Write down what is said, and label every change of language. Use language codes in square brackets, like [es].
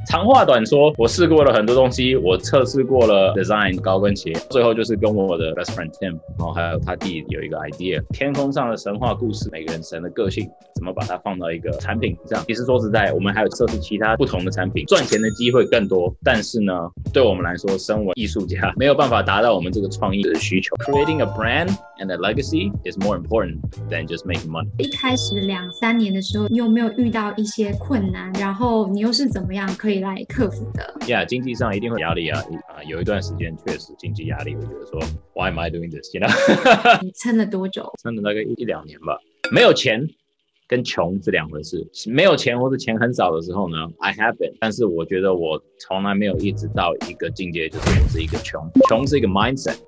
[zh] 长话短说，我试过了很多东西，我测试过了 design 高跟鞋，最后就是跟我的 best friend Tim， 然后还有他弟有一个 idea， 天空上的神话故事，每个人神的个性怎么把它放到一个产品上。其实说实在，我们还有测试其他不同的产品，赚钱的机会更多，但是呢，对我们来说，身为艺术家没有办法达到我们这个创意的需求。 [en] Creating a brand and a legacy is more important than just making money。 [zh] 一开始2-3年的时候，你有没有遇到一些困难，然后你又是怎么样可以来克服的？ Yeah， 经济上一定会压力啊，有一段时间确实经济压力，我觉得说 [en] Why am I doing this， you know？ [zh] 你撑了多久？撑了大概1-2年吧。没有钱跟穷是两回事，没有钱或是钱很少的时候呢 ， [en] I have been， [zh] 但是我觉得我从来没有一直到一个境界，就是我是一个穷，穷是一个 mindset。